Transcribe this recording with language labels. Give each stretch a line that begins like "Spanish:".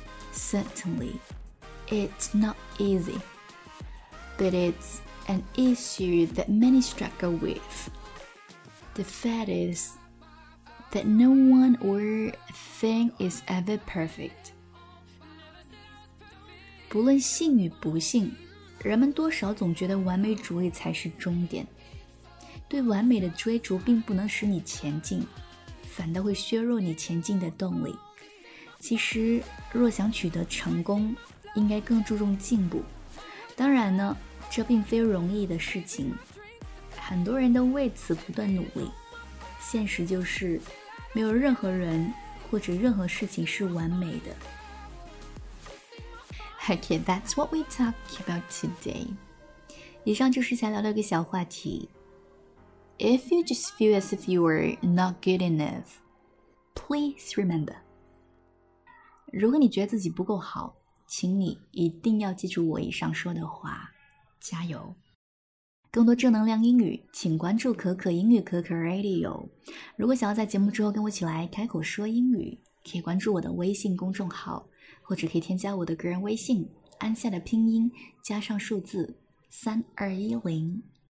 English: Certainly,It's not easy, but it's an issue that many struggle with. The fact is that no one or thing is ever perfect.
Chinese: 不论幸与不幸，人们多少总觉得完美主义才是终点。对完美的追逐并不能使你前进，反倒会削弱你前进的动力。其实，若想取得成功，应该更注重进步。当然呢，这并非容易的事情，很多人都为此不断努力。现实就是，没有任何人或者任何事情是完美的。
English: Okay, that's what we talk about today.
Chinese: 以上就是想聊的一个小话题。
English: If you just feel as if you were not good enough, please remember.
Chinese: 如果你觉得自己不够好，请你一定要记住我以上说的话，加油！更多正能量英语，请关注可可英语可可 Radio。如果想要在节目之后跟我一起来开口说英语，可以关注我的微信公众号，或者可以添加我的个人微信，安夏的拼音加上数字3210。